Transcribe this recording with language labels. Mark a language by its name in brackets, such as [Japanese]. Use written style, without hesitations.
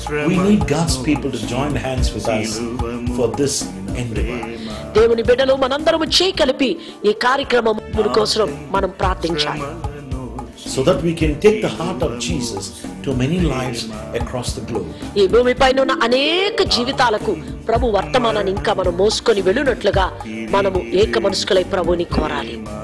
[English] We need God's people to join hands with us for this endeavor. [Telugu] దేవుని బిడ్డలు మనందరము చేయి కలిపి ఈ కార్యక్రమం కోసం మనం ప్రార్థించాలి. [English] So that we can take the heart of Jesus to many lives across the globe. [Telugu] ఈ భూమిపై ఉన్న అనేక జీవితాలకు ప్రభు వర్తమానాన్ని ఇంకా మనం మోసుకొని వెళ్ళునట్లుగా మనము ఏక మనసుకులై ప్రభుని కోరాలి.